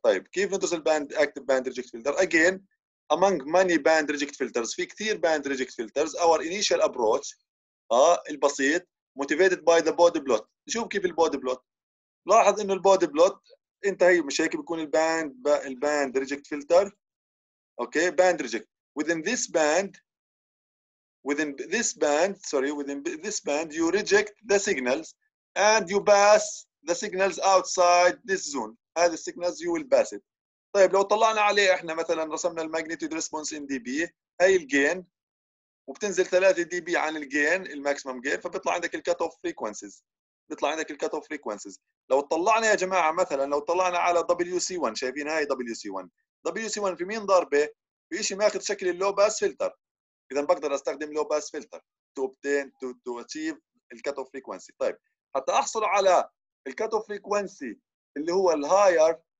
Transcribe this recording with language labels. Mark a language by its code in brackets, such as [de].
[ar] طيب كيف ندرس الباند [en] active band reject filter؟ again among many band reject filters [ar] في كثير [en] band reject filters our initial approach [ar] البسيط [en] motivated by the body plot. [ar] نشوف كيف البودي بلوت، لاحظ انه البودي بلوت انت هي مش هيك بيكون الباند الباند reject filter. [en] Okay band reject within this band within this band sorry within this band you reject the signals and you pass the signals outside this zone. [ar] هذا [en] signals you will pass it. [ar] طيب لو طلعنا عليه احنا مثلا رسمنا الماجنتيود ريسبونس ان دي بي، هي الجين وبتنزل 3 دي بي عن الجين الماكسيمم جين، فبيطلع عندك الكت اوف فريكوانسيز، بيطلع عندك الكت اوف فريكوانسيز. لو طلعنا يا جماعه مثلا لو طلعنا على دبليو سي 1، شايفين هاي دبليو سي 1، دبليو سي 1 في مين ضربه؟ في شيء ماخذ شكل اللو باس فلتر، اذا بقدر استخدم لو باس فلتر تو اوبتين تو اتشيف الكت اوف فريكوانسي. طيب حتى احصل على الكات اوف فريكوانسي اللي هو الهاير